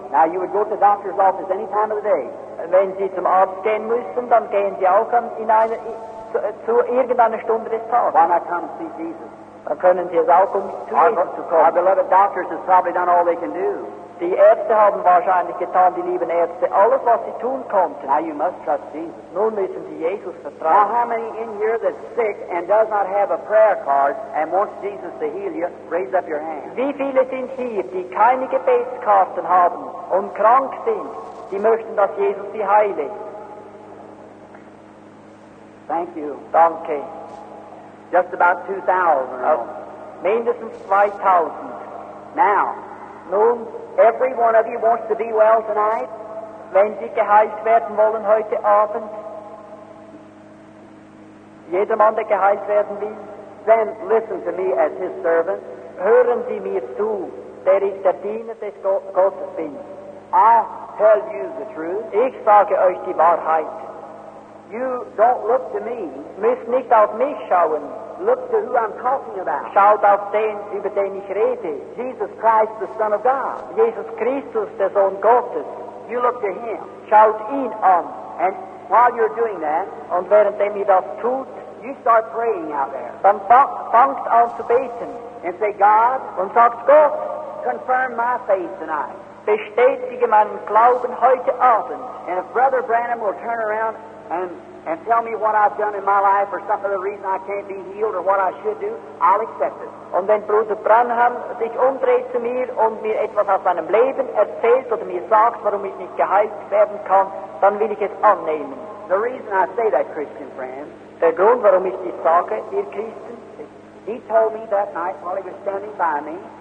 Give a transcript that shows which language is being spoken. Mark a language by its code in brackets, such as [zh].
[en] Now you would go to the doctor's office any time of the day. [de] Wenn Sie zum Arzt gehen müssen, dann gehen Sie auch in zu irgendeiner Stunde des Tages. [en] Why not come see Jesus? [de] Dann können Sie es auch zu Jesus zu kommen. [en] Our beloved doctors have probably done all they can do. [de] Die Ärzte haben wahrscheinlich getan, die lieben Ärzte, alles, was sie tun konnten. [en] Now you must trust Jesus. [de] Nun müssen Sie Jesus vertrauen. [en] Now how many in here that's sick and does not have a prayer card and wants Jesus to heal you, raise up your hand. [de] Wie viele sind hier, die keine Gebetskarten haben und krank sind, die möchten, dass Jesus sie heile? [en] Thank you. [de] Danke. [en] Just about 2,000. [de] Mindestens 2,000. [en] Now, [de] nun, [en] every one of you wants to be well tonight. [de] Wenn Sie geheilt werden wollen heute Abend, jedermann, der geheilt werden will, [en] then listen to me as his servant. [de] Hören Sie mir zu, der ich der Diener des Gottes bin. [en] I tell you the truth. [de] Ich sage euch die Wahrheit. [en] You don't look to me. [de] Müsst nicht auf mich schauen. [en] Look to who I'm talking about. [de] Schaut auf den, über den ich rede. [en] Jesus Christ, the Son of God. [de] Jesus Christus, der Sohn Gottes. [en] You look to him. [de] Schaut ihn an. [en] And while you're doing that, [de] und währenddem ihr das tut, [en] you start praying out there. [de] Dann fangt an zu beten. [en] And say, God, [de] und sagt Gott, [en] confirm my faith tonight. [de] Bestätige meinen Glauben heute Abend. [en] And if Brother Branham will turn around and tell me what I've done in my life or some other reason I can't be healed or what I should do, I'll accept it. [de] Und wenn Bruder Branham sich umdreht zu mir und mir etwas aus meinem Leben erzählt oder mir sagt, warum ich nicht geheilt werden kann, dann will ich es annehmen. [en] The reason I say that, Christian friend, [de] der Grund, warum ich dies sage, ihr Christen, [en] he told me that night while he was standing by me,